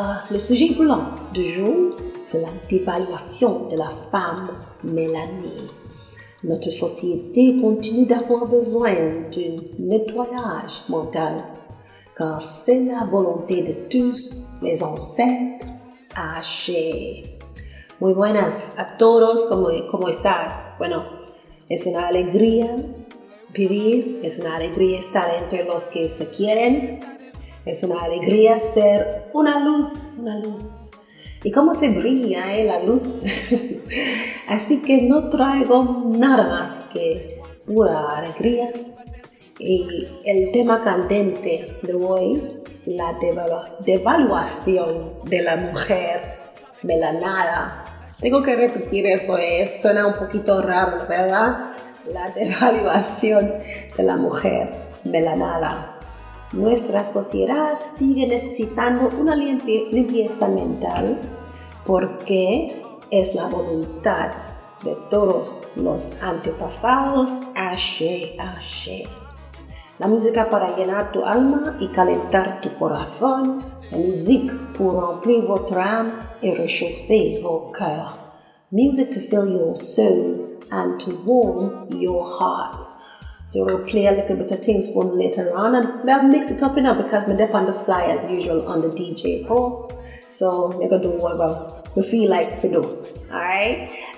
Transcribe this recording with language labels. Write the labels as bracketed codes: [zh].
[fr] Le sujet brûlant du jour, c'est la dévaluation de la femme mélanée. Notre société continue d'avoir besoin d'un nettoyage mental, car c'est la volonté de tous les ancêtres hachés. [es] Muy buenas a todos, ¿cómo estás? Bueno, es una alegría vivir, es una alegría estar entre los que se quieren, es una alegría ser una luz, una luz. ¿Y cómo se brilla la luz? Así que no traigo nada más que pura alegría. Y el tema candente de hoy, la devaluación de la mujer melanada. Tengo que repetir eso, suena un poquito raro, ¿verdad? La devaluación de la mujer melanada. Nuestra sociedad sigue necesitando una limpieza mental porque es la voluntad de todos los antepasados. Ashe, ashe. La música para llenar tu alma y calentar tu corazón. [fr] La música pour remplir votre âme et réchauffer vos cœurs. [en] Music to fill your soul and to warm your hearts. So we'll play a little bit of things for later on, and we'll mix it up enough because we're on the fly as usual on the DJ booth. So we're gonna do whatever we feel like we do. Alright?